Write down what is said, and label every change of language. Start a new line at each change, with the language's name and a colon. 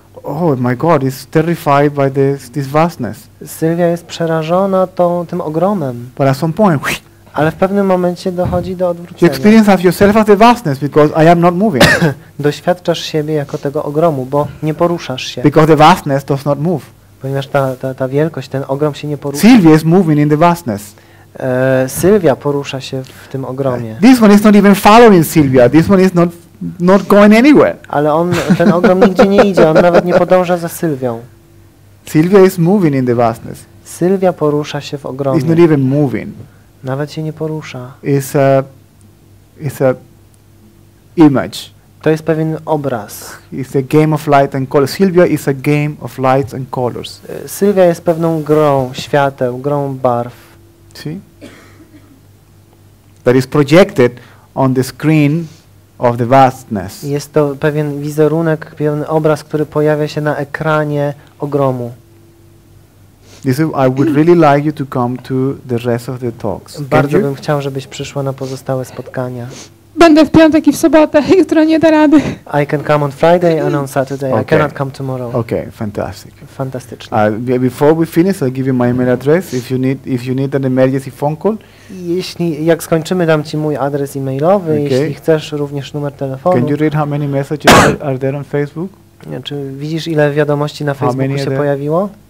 English: Oh my God, is terrified by this vastness.
Polish: Sylwia jest przerażona tym ogromem.
English: But at some point,
Polish: ale w pewnym momencie dochodzi do odwrócenia.
English: You experience yourself as the vastness because I am not moving.
Polish: Doświadczasz siebie jako tego ogromu, bo nie poruszasz się.
English: Because the vastness does not move.
Polish: Ponieważ ta wielkość, ten ogrom się nie porusza.
English: Sylwia is moving in the vastness.
Polish: Sylwia porusza się w tym ogromie.
English: This one is not even following Sylwia. This one is not going anywhere.
Polish: Ale ten ogrom nigdzie nie idzie. On nawet nie podąża za Sylwią.
English: Sylwia is moving in the vastness.
Polish: Sylwia porusza się w ogromie.
English: It's not even moving.
Polish: Nawet się nie porusza.
English: It's a image.
Polish: To jest pewien obraz.
English: It's a game of light and colors. Sylwia is a game of lights and colors.
Polish: Sylwia jest pewną grą świateł, grą barw.
English: See? That is projected on the screen of the vastness.
Polish: Jest to pewien wizerunek, pewien obraz, który pojawia się na ekranie ogromu.
English: I would really like you to come to the rest of the talks.
Polish: Bardzo bym chciał, żebyś przyszła na pozostałe spotkania. Będę w piątek i w sobotę, jutro nie da rady.
English: I can come on Friday and on Saturday. Okay. I cannot come tomorrow. Okay, fantastic.
Polish: Fantastycznie.
English: Before we finish, I'll give you my email address. If you need an emergency phone call.
Polish: Jeśli jak skończymy, dam ci mój adres e-mailowy. Okay. Jeśli chcesz, również numer telefonu.
English: Can you read how many messages are there on Facebook?
Polish: Nie, czy widzisz, ile wiadomości na Facebooku się pojawiło?